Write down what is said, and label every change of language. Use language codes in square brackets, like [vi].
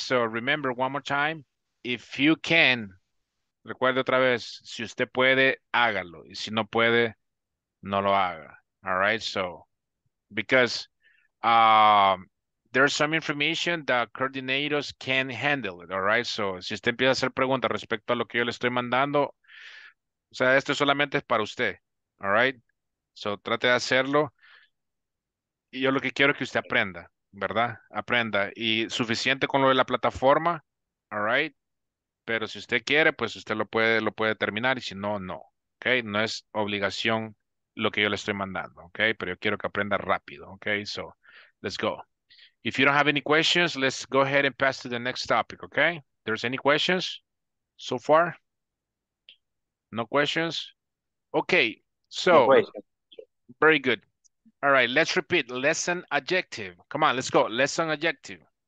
[en] So remember one more time, if you can, [es] recuerde otra vez, si usted puede, hágalo. Y si no puede, no lo haga, [en] all right? So, because there's some information that coordinators can handle it, all right? [es] So, si usted empieza a hacer preguntas respecto a lo que yo le estoy mandando, o sea, esto solamente es para usted, [en] all right? [es] So, trate de hacerlo. Y yo lo que quiero es que usted aprenda, ¿verdad? Aprenda. Y suficiente con lo de la plataforma, [en] all right? [es] Pero si usted quiere, pues usted lo puede terminar. Y si no, no. ¿Ok? No es obligación lo que yo le estoy mandando. ¿Ok? Pero yo quiero que aprenda rápido. ¿Ok? [en] So, let's go. If you don't have any questions, let's go ahead and pass to the next topic. ¿Ok? There's any questions so far? No questions? Ok. So, no questions. Very good. All right. Let's repeat. Lesson adjective. Come on. Let's go. Lesson adjective.